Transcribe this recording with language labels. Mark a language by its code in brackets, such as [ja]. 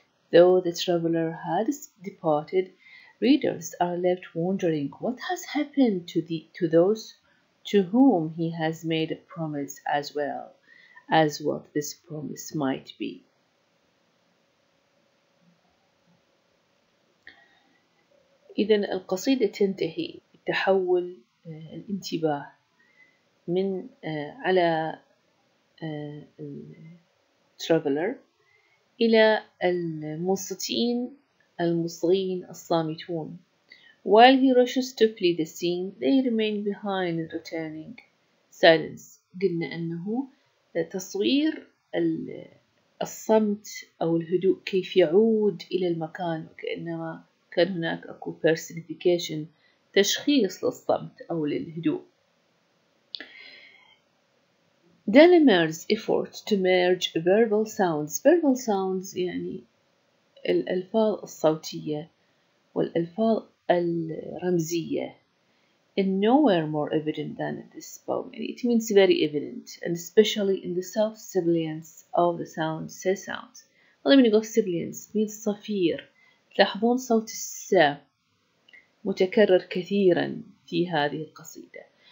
[en] Though the traveler has departed, readers are left wondering what has happened to those to whom he has made a promise, as well as what this promise might be. [ar] إذن القصيدة تنتهي بتحول الانتباه من على الترافلر إلى المنصتين المصغين الصامتون. [en] While he rushes to flee the scene, they remain behind in returning silence. [ar] قلنا أنه تصوير الصمت أو الهدوء كيف يعود إلى المكان، وكأنما كان هناك أكو personification، تشخيص للصمت أو للهدوء. [en] Delamere's effort to merge verbal sounds. Verbal sounds [ar] يعني الألفاظ الصوتية والألفاظ الرمزية. [en] In nowhere more evident than in this poem. It means very evident, and especially in the soft sibilance of the sound, say sound. What do you mean sibilance? It means صفير. [ar] تلاحظون صوت الس متكرر كثيرا في هذه القصيدة.